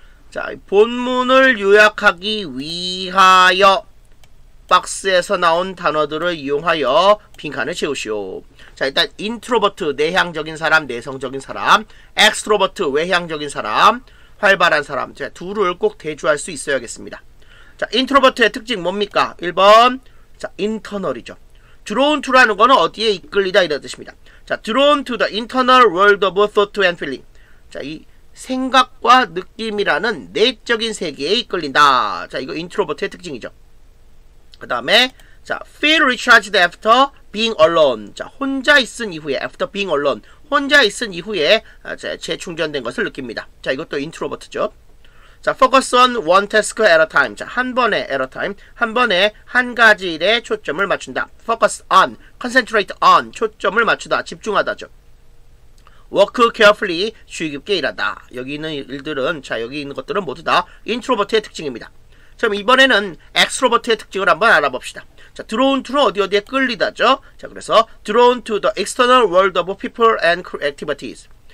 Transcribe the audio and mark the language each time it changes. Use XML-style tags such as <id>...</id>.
<ko>자, 본문을 요약하기 위하여 박스에서 나온 단어들을 이용하여 빈칸을 채우시오. 자, 일단 introvert 내향적인 사람, 내성적인 사람, extrovert 외향적인 사람, 활발한 사람. 자, 둘을 꼭 대조할 수 있어야겠습니다. 자, 인트로버트의 특징 뭡니까? 1번, 자, 인터널이죠. drawn to라는 거는 어디에 이끌리다 이런 뜻입니다.</ko> <en>자, drawn to the internal world of thought and feeling.</en> <ko>자, 이 생각과 느낌이라는 내적인 세계에 이끌린다. 자, 이거 인트로버트의 특징이죠.</ko> <en>그 다음에, 자, feel recharged after being alone.</en> <ko>자, 혼자 있은 이후에,</ko> <en>after being alone.</en> <ko>혼자 있은 이후에 재충전된 것을 느낍니다. 자, 이것도 인트로버트죠.</ko> <en>자, focus on one task at a time. 자,</en> <ko>한 번에</ko> <en>at a time.</en> <ko>한 번에 한 가지 일에 초점을 맞춘다.</ko> <en>focus on, concentrate on.</en> <ko>초점을 맞추다, 집중하다죠.</ko> <en>work carefully,</en> <ko>주의 깊게 일하다. 여기 있는 일들은, 자, 여기 있는 것들은 모두 다 인트로버트의 특징입니다. 그럼 이번에는 엑스트로버트의 특징을 한번 알아봅시다. 자, drawn to는 어디 어디에 끌리다죠?</ko> <en>자, 그래서 drawn to the external world of people and activities.</en>